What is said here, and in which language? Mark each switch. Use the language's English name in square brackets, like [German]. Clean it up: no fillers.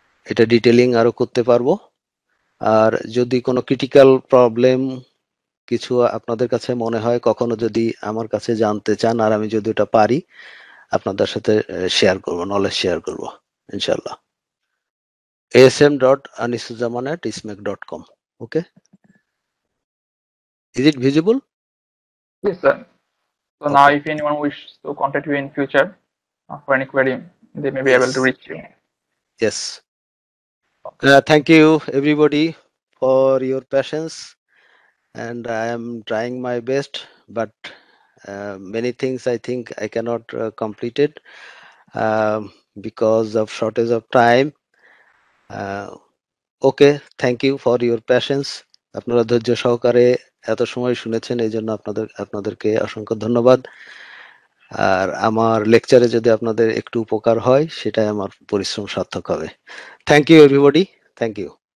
[Bangla] এটা ডিটেলিং আরো করতে পারবো আর যদি কোনো ক্রিটিক্যাল প্রবলেম কিছু আপনাদের কাছে মনে হয় কখনো যদি আমার কাছে জানতে চান আর আমি যদি এটা পারি আপনাদের সাথে শেয়ার করব নলেজ শেয়ার করব ইনশাআল্লাহ asm.anisuzzaman@ismec.com [English] okay is it visible yes sir so now if anyone wish to contact you in future for any query they may be able to reach you yes thank you everybody for your patience and I am trying my best but many things I think I cannot complete it because of shortage of time okay thank you for your patience [Bangla] apnara dhorjo shohokare eto shomoy shunechen ei jonno apnaderke oshongkho dhonnobad আর আমার লেকচারে যদি আপনাদের একটু উপকার হয় সেটাই আমার পরিশ্রম সার্থক হবে। [English] Thank you everybody, thank you.